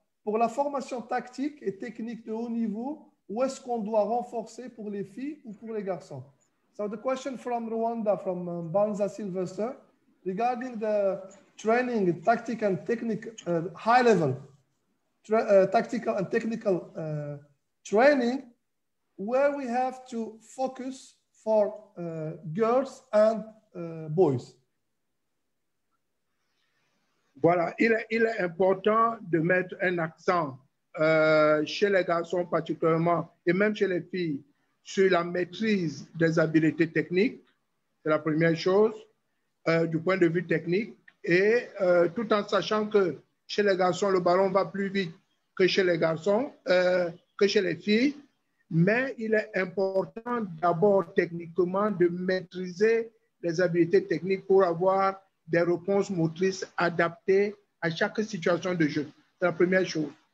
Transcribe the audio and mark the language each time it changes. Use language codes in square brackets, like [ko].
[fr] Pour la formation tactique et technique de haut niveau, où est-ce qu'on doit renforcer pour les filles ou pour les garçons? [en] So the question from Rwanda, from Mbanza Silvestre, regarding the training, tactic and technique, high level, tactical and technical training, where we have to focus for girls and boys. [fr] Voilà, il est important de mettre un accent chez les garçons particulièrement et même chez les filles sur la maîtrise des habiletés techniques, c'est la première chose, du point de vue technique, et tout en sachant que chez les garçons, le ballon va plus vite que chez les garçons, que chez les filles, mais il est important d'abord techniquement de maîtriser les habiletés techniques pour avoir des réponses motrices adaptées à chaque situation de jeu. C'est la première chose.